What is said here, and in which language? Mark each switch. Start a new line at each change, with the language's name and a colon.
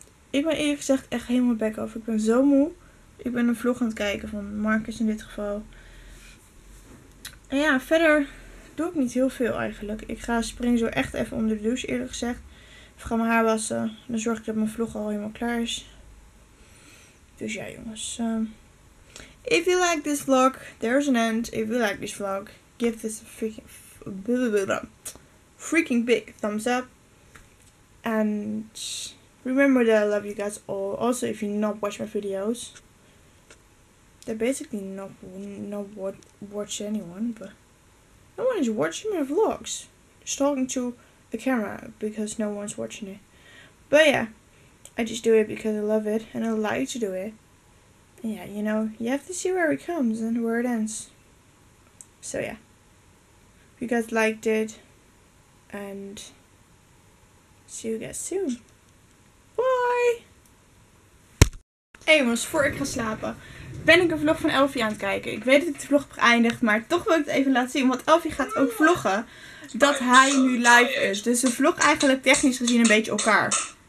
Dutch: Ik ben eerlijk gezegd echt helemaal
English: back off.
Dutch: Ik ben zo moe. Ik ben een vlog aan het kijken van Marcus in dit geval. En ja, verder doe ik niet heel veel eigenlijk. Ik ga spring zo echt even onder de douche, eerlijk gezegd. Ik ga mijn haar wassen. Dan zorg ik dat mijn vlog al helemaal klaar is. Dus ja, jongens.
English: If you like this vlog, there's an end. If you like this vlog, give this a freaking big thumbs up. And Remember that I love you guys all. Also, if you're not watching my videos, they're basically not watch anyone, but no one is watching my vlogs. Just talking to the camera because no one's watching it. But yeah, I just do it because I love it and I like to do it. And yeah, you know, you have to see where it comes and where it ends. So yeah, if you guys liked it, and see you guys soon. Bye!
Dutch: Hey jongens, voor ik ga slapen, ben ik een vlog van Elfie aan het kijken. Ik weet dat ik de vlog heb geëindigd, maar toch wil ik het even laten zien. Want Elfie gaat ook vloggen dat hij nu live is. Dus de vlog eigenlijk technisch gezien een beetje elkaar.